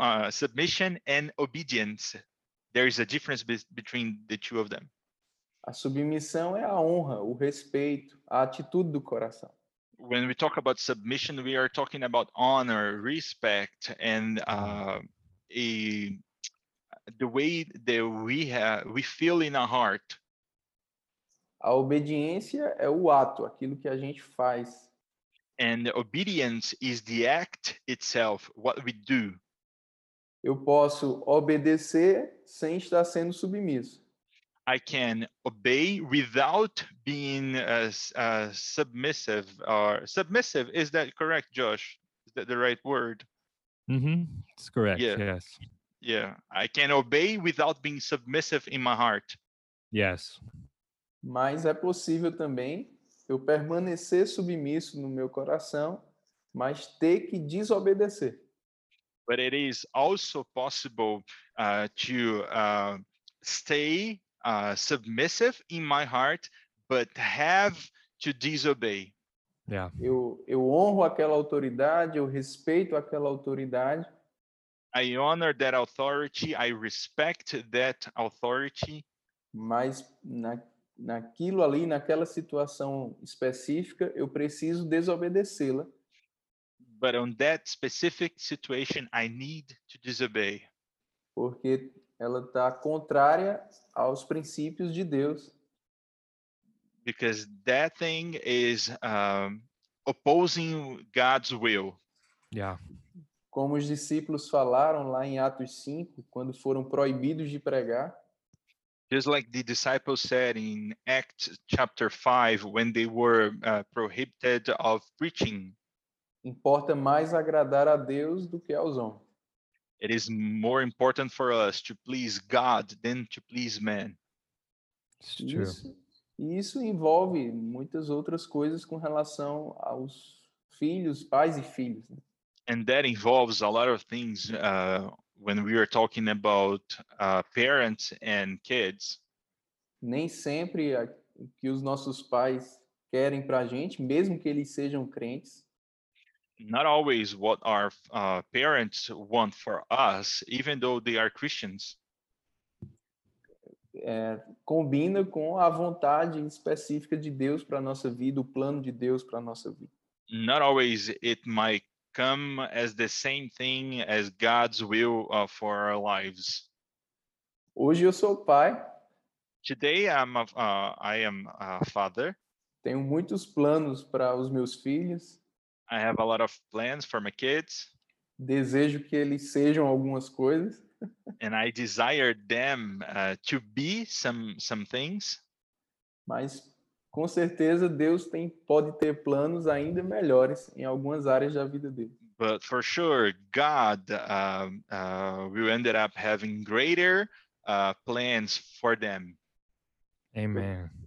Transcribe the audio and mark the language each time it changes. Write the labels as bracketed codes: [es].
[en] Submission and obedience. There is a difference between the two of them. [pt] A submissão é a honra, o respeito, a atitude do coração. [en] When we talk about submission, we are talking about honor, respect, and the way that we feel in our heart. [pt] A obediência é o ato, aquilo que a gente faz. [en] And obedience is the act itself, what we do. [pt] Eu posso obedecer sem estar sendo submisso. [en] I can obey without being submissive. Submissive, is that correct, Josh? Is that the right word? Mm-hmm. It's correct, yeah. Yes. Yeah, I can obey without being submissive in my heart. Yes. [pt] Mas é possível também eu permanecer submisso no meu coração, mas ter que desobedecer. [en] But it is also possible to stay submissive in my heart, but have to disobey. Yeah. [pt] Eu honro aquela autoridade, eu respeito aquela autoridade. [en] I honor that authority, I respect that authority. [pt] Mas naquilo ali, naquela situação específica, eu preciso desobedecê-la. [en] But on that specific situation, I need to disobey. [pt] Porque ela está contrária aos princípios de Deus. [en] Because that thing is opposing God's will. Yeah. [pt] Como os discípulos falaram lá em Atos 5, quando foram proibidos de pregar. [en] Just like the disciples said in Acts chapter 5, when they were prohibited of preaching. [pt] Importa mais agradar a Deus do que aos homens. [en] It is more important for us to please God than to please man. It's true. [pt] Isso envolve muitas outras coisas com relação aos filhos, pais e filhos. [en] And that involves a lot of things when we are talking about parents and kids. [pt] Nem sempre o que os nossos pais querem para a gente, mesmo que eles sejam crentes. [en] Not always what our parents want for us, even though they are Christians. [pt] Combina com a vontade específica de Deus para a nossa vida, o plano de Deus para a nossa vida. [en] Not always it might come as the same thing as God's will for our lives. [pt] Hoje eu sou pai. [en] Today I'm a father. [pt] Tenho muitos planos para os meus filhos. [en] I have a lot of plans for my kids. [pt] Desejo que eles sejam algumas coisas. [en] And I desire them to be some things. [pt] Mas com certeza Deus pode ter planos ainda melhores em algumas áreas da vida dele. [en] But for sure, God will end up having greater plans for them. Amen.